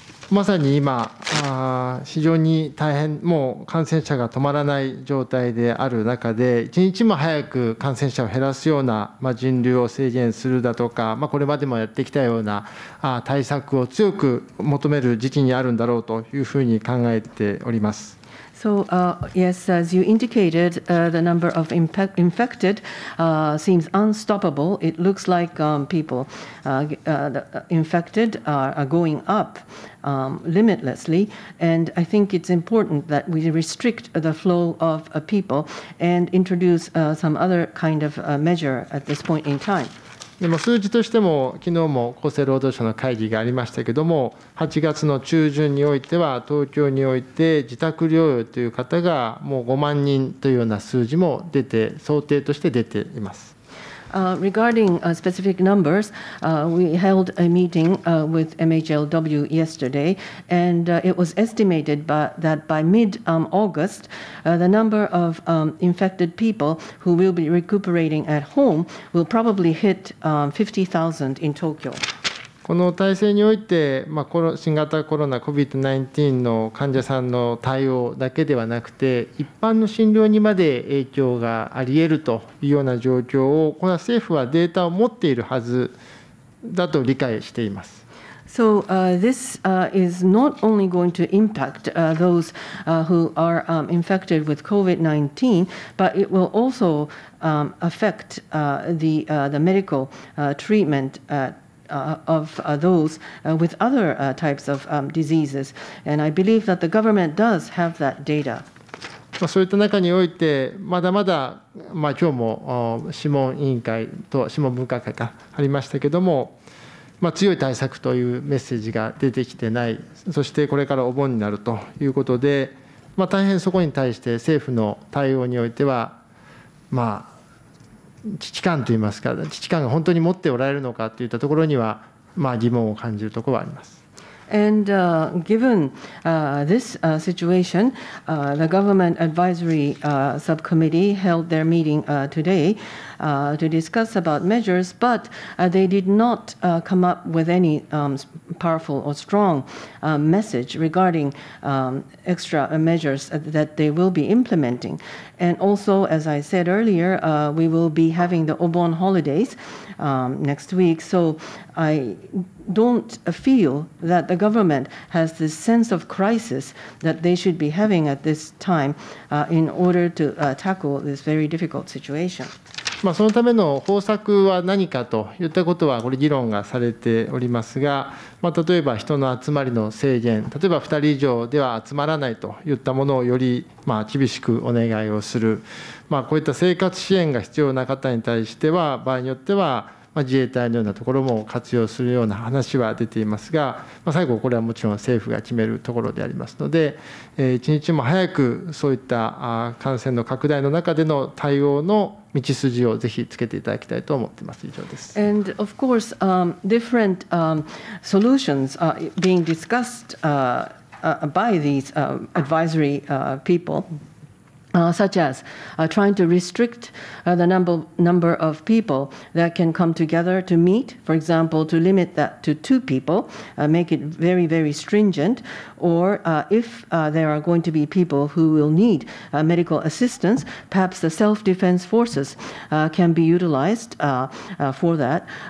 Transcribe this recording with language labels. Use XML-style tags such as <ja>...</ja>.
<ja>まさに今非常に大変、もう感染者が止まらない状態である中で、一日も早く感染者を減らすような、まあ、人流を制限するだとか、まあ、これまでもやってきたような対策を強く求める時期にあるんだろうというふうに考えております。</ja> <en>So, yes, as you indicated, the number of infected seems unstoppable. It looks like people infected are going up limitlessly. And I think it's important that we restrict the flow of people and introduce some other kind of measure at this point in time.</en> <ja>でも数字としても昨日も厚生労働省の会議がありましたけれども、8月の中旬においては東京において自宅療養という方がもう5万人というような数字も出て、想定として出ています。</ja> <en>Regarding specific numbers, we held a meeting with MHLW yesterday, and it was estimated that by mid-August, the number of infected people who will be recuperating at home will probably hit 50,000 in Tokyo.</en> <ja>この体制において、まあ、この新型コロナ COVID-19 の患者さんの対応だけではなくて、一般の診療にまで影響がありえるというような状況を、これは政府はデータを持っているはずだと理解しています。</ja> <en>So, this is not only going to impact those who are infected with COVID-19, but it will also affect the medical treatmentof those with other types of diseases. And I believe that the government does have that data.</en> <ja>そういった中において、まだまだ、まあ、今日も諮問委員会と諮問分科会がありましたけれども、まあ、強い対策というメッセージが出てきてない、そしてこれからお盆になるということで、まあ、大変そこに対して政府の対応においては、まあ危機感といいますか、危機感が本当に持っておられるのかといったところには、まあ、疑問を感じるところはあります。</ja> <en>And given this situation, the government advisory subcommittee held their meeting today. to discuss about measures, but they did not come up with any powerful or strong message regarding extra measures that they will be implementing. And also, as I said earlier, we will be having the Obon holidays next week. So I don't feel that the government has this sense of crisis that they should be having at this time in order to tackle this very difficult situation.</en> <ja>まあ、そのための方策は何かといったことはこれ議論がされておりますが、まあ、例えば人の集まりの制限、例えば2人以上では集まらないといったものをよりまあ厳しくお願いをする、まあ、こういった生活支援が必要な方に対しては場合によっては自衛隊のようなところも活用するような話は出ていますが、まあ、最後これはもちろん政府が決めるところでありますので、一日も早くそういった感染の拡大の中での対応の道筋をぜひつけていただきたいと思っています。以上です。</ja> <en>And of course, different solutions are being discussed by these advisory people. Such as trying to restrict the number of people that can come together to meet, for example, to limit that to two people, make it very, very stringent, or if there are going to be people who will need medical assistance, perhaps the self-defense forces can be utilized for that.</en>